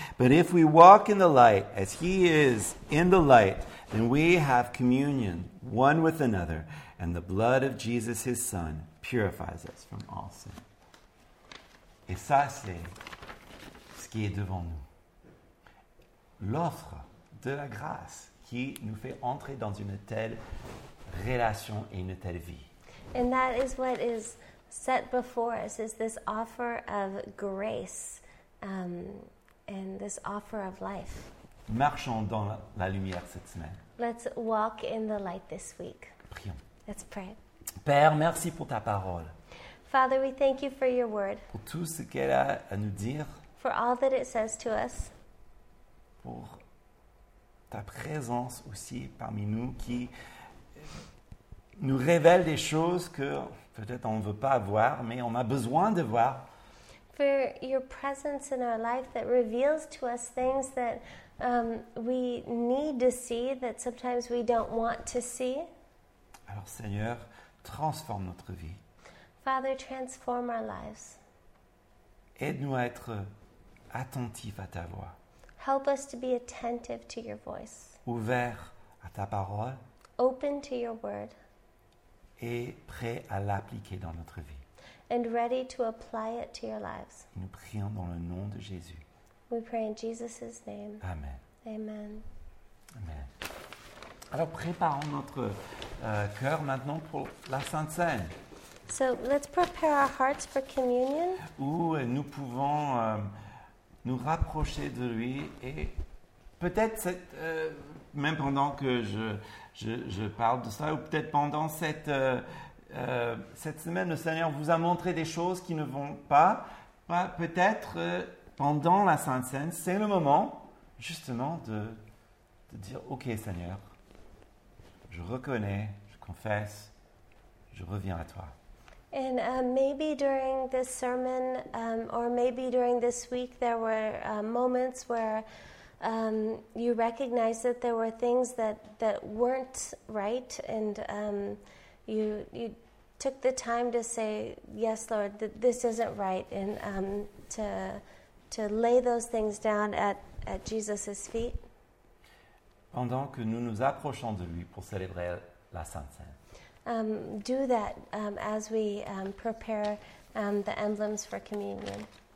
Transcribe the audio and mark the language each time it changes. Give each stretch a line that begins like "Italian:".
English: But if we walk in the light as he is in the light, then we have communion one with another, and the blood of Jesus, his son, purifies us from all sin.
French: Et ça, c'est ce qui est devant nous. L'offre de la grâce qui nous fait entrer dans une telle relation et une telle vie.
English: And that is what is set before us is this offer of grace and this offer of life.
French: Marchons dans la lumière cette semaine.
English: Let's walk in the light this week.
French: Prions.
English: Let's pray.
French: Père, merci pour ta parole.
English: Father, we thank you for your word.
French: Pour tout ce qu'elle a à nous dire.
English: For all that it says to us.
French: Pour ta présence aussi parmi nous qui nous révèle des choses que peut-être on ne veut pas voir, mais on a besoin de voir.
English: For your presence in our life that reveals to us things that we need to see, that sometimes we don't want to see.
French: Alors Seigneur, transforme notre vie.
English: Father, transform our lives.
French: Aide-nous à être attentifs à ta voix.
English: Help us to be attentive to your voice.
French: Ouvert à ta parole.
English: Open to your word.
French: Et prêt à l'appliquer dans notre vie.
English: And ready to apply it to your lives.
French: Nous prions dans le nom de Jésus.
English: We pray in Jesus' name. Amen. Amen. Amen.
French: Alors préparons notre cœur maintenant pour la Sainte Cène.
English: So let's prepare our hearts for communion.
French: Où nous pouvons nous rapprocher de lui et peut-être cette, même pendant que je parle de ça ou peut-être pendant cette semaine, le Seigneur vous a montré des choses qui ne vont pas. Bah, peut-être pendant la Sainte Cène, c'est le moment justement de dire « Ok Seigneur, je reconnais, je confesse, je reviens à toi. »
English: And maybe during this sermon, or maybe during this week, there were moments where you recognized that there were things that weren't right, and you took the time to say, "Yes, Lord, this isn't right," and to lay those things down at Jesus' feet.
French: Pendant que nous nous approchons de lui pour célébrer la Sainte Cène.
English: Do that as we prepare the emblems for communion.